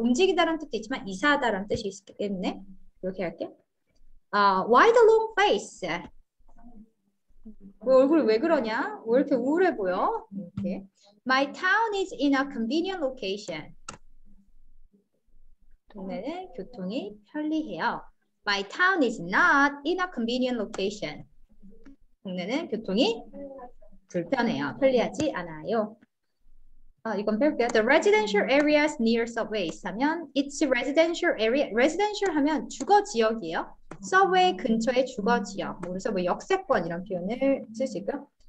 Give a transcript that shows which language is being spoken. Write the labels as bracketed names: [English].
[Korean] 움직이다라는 뜻도 있지만 이사하다라는 뜻이 있기 때문에 이렇게 할게요. [English] Why the long face? [Korean] 얼굴이 왜 그러냐? 왜 이렇게 우울해 보여? 이렇게. [English] My town is in a convenient location. [Korean] 동네는 교통이 편리해요. [English] My town is not in a convenient location. [Korean] 동네는 교통이 불편해요. 편리하지 않아요. 아, 이건 뺄게요. [English] The residential areas near subways 하면 it's residential area. [Korean] residential 하면 주거 지역이에요. subway 근처의 주거 지역. 그래서 뭐 역세권 이런 표현을 쓸수 있고요.